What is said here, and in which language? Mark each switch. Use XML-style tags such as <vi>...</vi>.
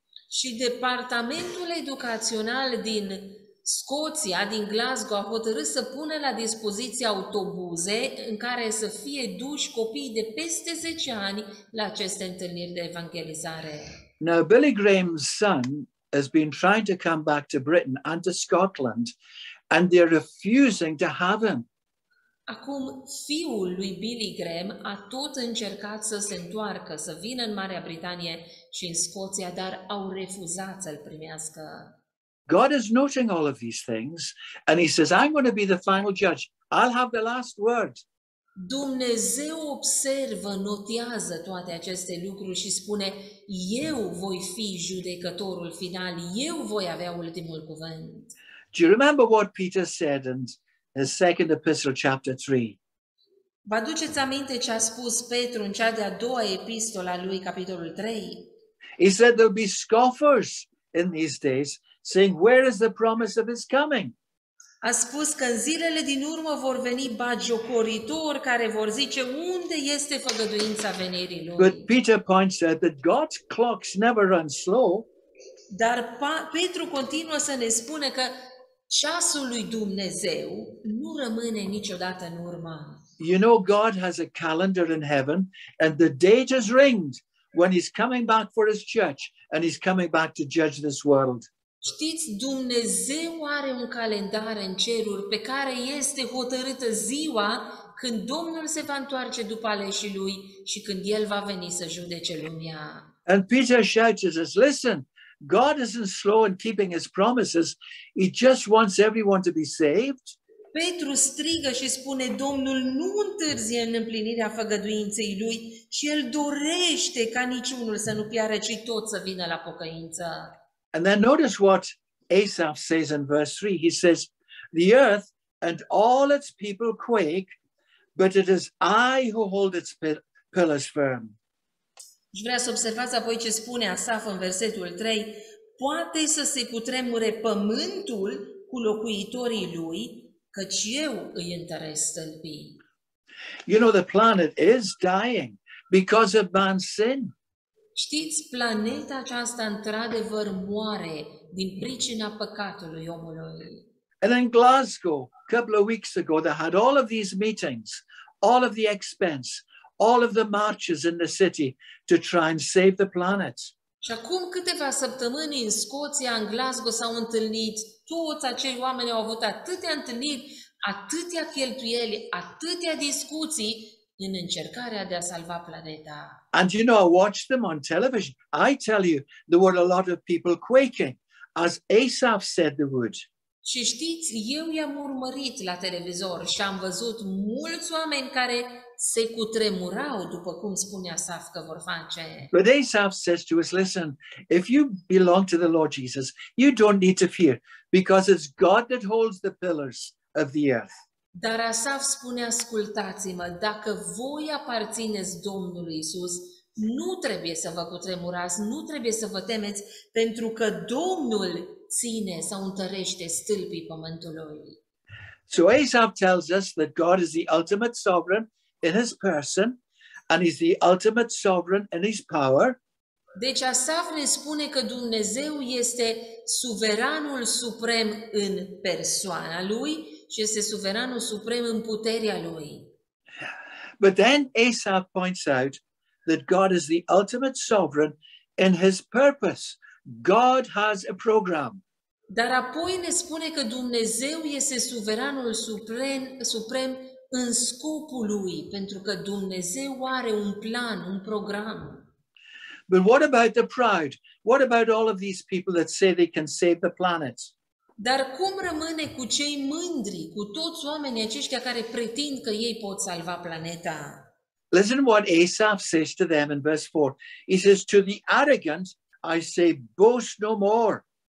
<ro>Și departamentul educațional din Scoția, din Glasgow, a hotărât să pună la dispoziție autobuze în care să fie duși copiii de peste 10 ani la aceste întâlniri de evangelizare.</ro> <en>Now, Billy Graham's son has been trying to come back to Britain and to Scotland, and they're refusing to have him.</en> <ro>Acum, fiul lui Billy Graham a tot încercat să se întoarcă, să vină în Marea Britanie și în Scoția, dar au refuzat să-l primească.</ro> <en>God is noting all of these things, and he says, I'm going to be the final judge. I'll have the last word.</en> <ro>Dumnezeu observă, notează toate aceste lucruri și spune, eu voi fi judecătorul final, eu voi avea ultimul cuvânt.</ro> <en>Do you remember what Peter said in his second epistle, chapter 3?</en> <ro>Vă aduceți aminte ce a spus Petru în cea de-a doua epistolă a lui, capitolul 3?</ro> <en>He said there'll be scoffers in these days, saying, where is the promise of his coming?</en> <ro>A spus că în zilele din urmă vor veni bagiocoritori care vor zice unde este făgăduința venirii lui.</ro> <en>But Peter points out that God's clocks never run slow.</en> <ro>Dar Petru continuă să ne spune că ceasul lui Dumnezeu nu rămâne niciodată în urmă.</ro> <en>You know, God has a calendar in heaven and the date is ringed when he's coming back for his church and he's coming back to judge this world.</en> <ro>Știți, Dumnezeu are un calendar în ceruri pe care este hotărâtă ziua când Domnul se va întoarce după aleșii lui și când el va veni să judece lumea.</ro> <en>And Peter shouts us, listen, God isn't slow in keeping his promises. He just wants everyone to be saved.</en> <ro>Petru strigă și spune, Domnul nu întârzie în împlinirea făgăduinței lui și el dorește ca niciunul să nu piară, ci tot să vină la pocăință.</ro> <en>And then notice what Asaf says in verse 3. He says, the earth and all its people quake, but it is I who hold its pillars firm.</en> <ro>Și vrea să observați apoi ce spune Asaf în versetul 3. Poate să se cutremure pământul cu locuitorii lui, căci eu îi întăresc stâlpii.</ro> <en>You know, the planet is dying because of man's sin.</en> <ro>Știți, planeta aceasta într-adevăr moare din pricina păcatului omului.</ro> <en>And in Glasgow, a couple of weeks ago, they had all of these meetings, all of the expense, all of the marches in the city to try and save the planet.</en> <ro>Și acum câteva săptămâni în Scoția, în Glasgow, s-au întâlnit, toți acei oameni au avut atâtea întâlniri, atâtea cheltuieli, atâtea discuții, în încercarea de a salva planeta.</ro> <en>And you know, I watched them on television. I tell you, there were a lot of people quaking, as Asaph said they would.</en> <ro>Și știți, eu i-am urmărit la televizor și am văzut mulți oameni care se cutremurau, după cum spune Asaph că vor face.</ro> <en>But Asaph says to us, listen, if you belong to the Lord Jesus, you don't need to fear, because it's God that holds the pillars of the earth.</en> <ro>Dar Asaf spune, ascultați-mă, dacă voi aparțineți Domnului Iisus, nu trebuie să vă cutremurați, nu trebuie să vă temeți, pentru că Domnul ține sau întărește stâlpii pământului.</ro> <en>So Asaf tells us that God is the ultimate sovereign in his person and he's the ultimate sovereign in his power.</en> <ro>Deci Asaf ne spune că Dumnezeu este suveranul suprem în persoana lui și este suveranul suprem în puterea lui.</ro> <en>But then Asaf points out that God is the ultimate sovereign in his purpose. God has a program.</en> <ro>Dar apoi ne spune că Dumnezeu este suveranul suprem în scopul lui, pentru că Dumnezeu are un plan, un program.</ro> <en>But what about the pride? What about all of these people that say they can save the planet?</en> <ro>Dar cum rămâne cu cei mândri, cu toți oamenii aceștia care pretind că ei pot salva planeta?</ro> <en>Listen what Asaf says to them in verse 4. He says, to the arrogant, I say, boast no more.</en>